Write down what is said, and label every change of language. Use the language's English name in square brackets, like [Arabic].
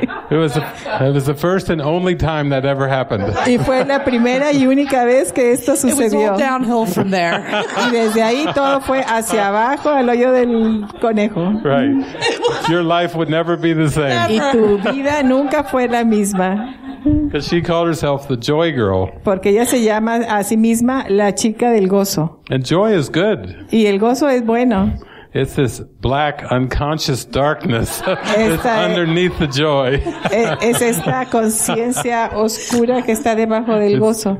[English] It was the first and only time that ever happened. [Spanish] Y fue la primera y única vez que esto sucedió. [English] It was all downhill from there. [Spanish] Y desde ahí todo fue hacia abajo, al hoyo del conejo. [English] Right. Your life would never be the same. [Spanish] Y tu vida nunca fue la misma. [English] Because she called herself the joy girl. [Spanish] Porque ella se llama a sí misma la chica del gozo. [English] And joy is good. [Spanish] Y el gozo es bueno. [English] It's this black unconscious darkness that's underneath the joy. [Spanish] Es esta conciencia oscura que está debajo del gozo.